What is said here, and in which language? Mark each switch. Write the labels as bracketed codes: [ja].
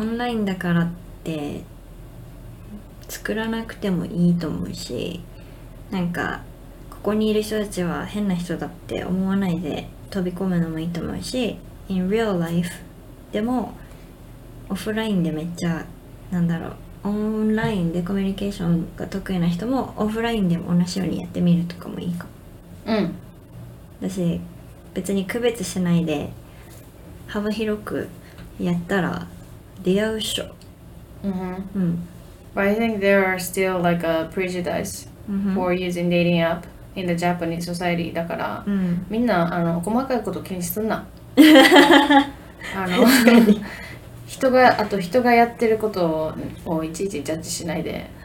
[ja] オンラインだからって作らなくてもいいと思うし、なんかここにいる人たちは変な人だって思わないで飛び込むのもいいと思うし、 [en] in real life [ja] でもオフラインでめっちゃなんだろう、オンラインでコミュニケーションが得意な人もオフラインでも同じようにやってみるとかもいいかも。うん、だし別に区別しないで幅広くやったら出会うっしょ。 [en] mm-hmm. [ja] うん、 [en] But I think there are still like a prejudice、mm-hmm. for using dating app in the Japanese society. [ja] だから、うん、みんなあの細かいこと気にすんな。あの人が、あと人がやってることをいちいちジャッジしないで。